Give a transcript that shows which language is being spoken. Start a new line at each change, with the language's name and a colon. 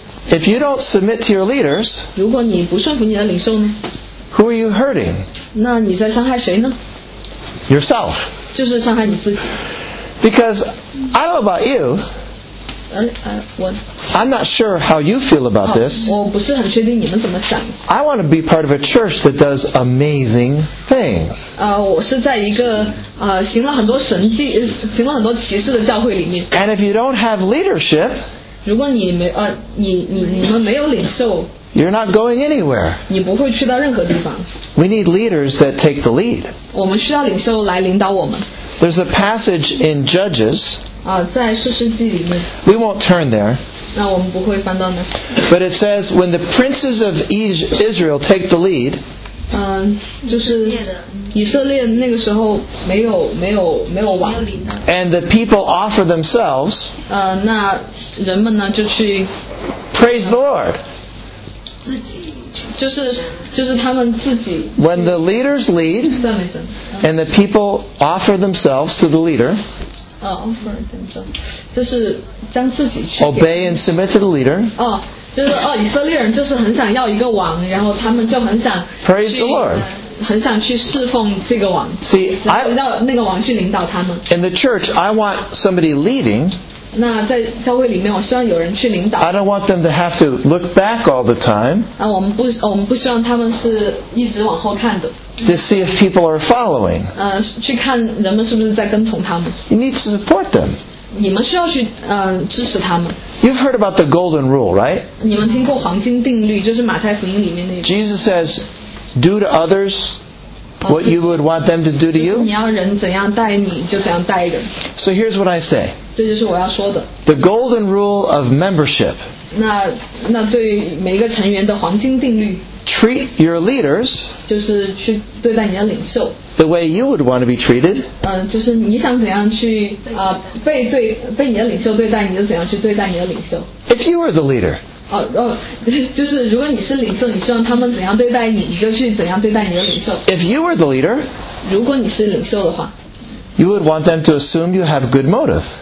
English: If you don't submit to your leaders,
Chinese: 如果你不顺服你的领袖呢？
English: Who are you hurting?
Chinese: 那你在伤害谁呢？
English: Yourself.
Chinese: 就是伤害你自己。
English: Because I don't know about you. I'm not sure how you feel about this.
Chinese: 我不是很确定你们怎么想。
English: I want to be part of a church that does amazing things.
Chinese: 我是在一个行了很多神迹，行了很多奇事的教会里面。
English: And if you don't have leadership,
Chinese: 如果你没你们没有领袖。
English: You're not going anywhere.
Chinese: 你不会去到任何地方。
English: We need leaders that take the lead.
Chinese: 我们需要领袖来领导我们。
English: There's a passage in Judges.
Chinese: 在士师记里面。
English: We won't turn there.
Chinese: 那我们不会翻到那。
English: But it says when the princes of Israel take the lead.
Chinese: 就是以色列那个时候没有王。
English: And the people offer themselves.
Chinese: 那人们呢就去。
English: Praise the Lord.
Chinese: 就是他们自己
English: When the leaders lead and the people offer themselves to the leader offer themselves
Chinese: 就是将自己去
English: obey and submit to the leader
Chinese: 以色列人就是很想要一个王然后他们就很想
English: praise the Lord
Chinese: 很想去侍奉这个王
English: See,
Chinese: 然后让那个王去领导他们
English: in the church I want somebody leading
Chinese: 那在教会里面，我希望有人去领导。
English: I don't want them to have to look back all the time.
Chinese: 我们不希望他们是一直往后看的。
English: To see if people are following.
Chinese: 去看人们是不是在跟从他们。
English: You need to support them.
Chinese: 你们需要去支持他们。
English: You've heard about the golden rule, right?
Chinese: 你们听过黄金定律，就是马太福音里面那个。
English: Jesus says, "Do to others." What you would want them to do to you?
Chinese: 就是你要人怎样待你，就怎样待人。
English: So here's what I say.
Chinese: 这就是我要说的。
English: The golden rule of membership.
Chinese: 那对每一个成员的黄金定律。
English: Treat your leaders.
Chinese: 就是去对待你的领袖。
English: The way you would want to be treated.
Chinese: 就是你想怎样去被你的领袖对待，你就怎样去对待你的领袖。
English: If you were the leader.
Chinese: 就是如果你是领袖，你希望他们怎样对待你，你就去怎样对待你的领袖。
English: If you were the leader,
Chinese: 如果你是领袖的话
English: ，you would want them to assume you have good motive.